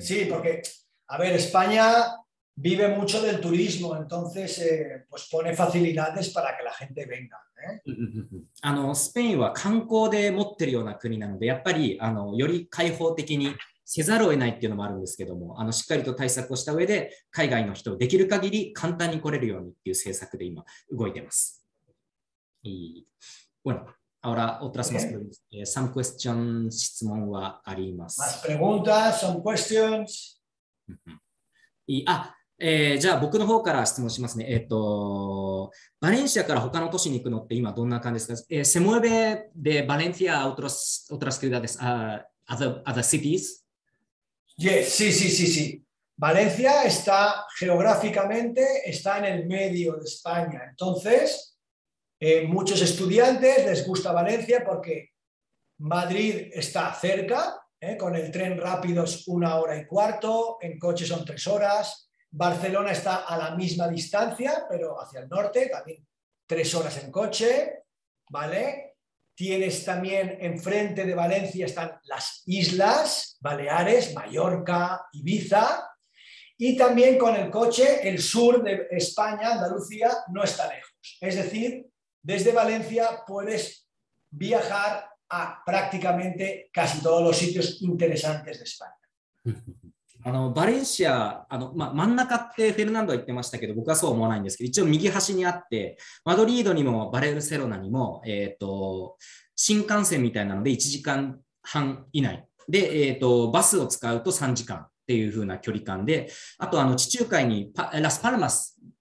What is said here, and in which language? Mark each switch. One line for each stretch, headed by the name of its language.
Spanish: Sí, porque, a ver, España vive mucho del turismo, entonces, pues pone facilidades para que la gente venga. ¿Eh?
Japanese: スペインは観光で持ってるような国なので、やっぱりより開放的にせざるを得ないっていうのもあるんですけども、しっかりと対策をした上で、海外の人をできる限り簡単に来れるようにっていう政策で今動いてます。いい。
Spanish: Bueno, ahora otras más preguntas.
English: Some questions,
Japanese: 質問はあります。
Spanish: Más preguntas,
English: some questions.
Japanese: じゃあ僕の方から質問しますね。バレンシアから他の都市に行くのって今どんな感じですか？
Spanish: Se mueve de Valencia a otras ciudades,
English: other cities?
Spanish: Yes, sí, sí, sí, sí. Valencia está geográficamente está en el medio de España. Entonces, muchos estudiantes les gusta Valencia porque Madrid está cerca, con el tren rápido es una hora y cuarto, en coche son tres horas. Barcelona está a la misma distancia, pero hacia el norte, también tres horas en coche, ¿vale? Tienes también enfrente de Valencia están las islas Baleares, Mallorca, Ibiza. Y también con el coche, el sur de España, Andalucía, no está lejos. Es decir, desde Valencia puedes viajar a prácticamente casi todos los sitios interesantes de España.
Japanese: バレンシア、まあ、真ん中ってフェルナンドは言ってましたけど、僕はそう思わないんですけど、一応右端にあって、マドリードにもバレルセロナにも、新幹線みたいなので1時間半以内。で、バスを使うと3時間っていう風な距離感で、あと地中海にラスパルマス。